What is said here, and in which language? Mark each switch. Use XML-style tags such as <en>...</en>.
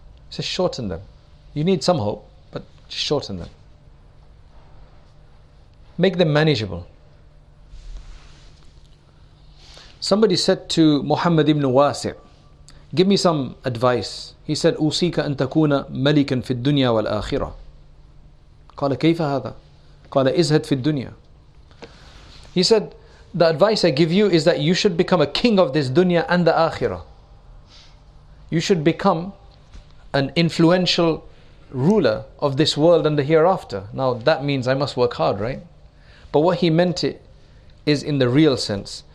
<en>So shorten them. You need some hope, but shorten them. Make them manageable. Somebody said to Muhammad ibn Wasi', give me some advice. He said,</en> <ar>أُوصِيكَ أَن تَكُونَ مَلِكًا فِي الدُّنْيَا وَالْآخِرَةِ. قَالَ كَيْفَ هَذَا؟ قَالَ إِزْهَدْ فِي الدُّنْيَا.</ar> <en>He said, the advice I give you is that you should become a king of this dunya and the akhirah. You should become an influential ruler of this world and the hereafter. Now that means I must work hard, right? But what he meant it is in the real sense.</en>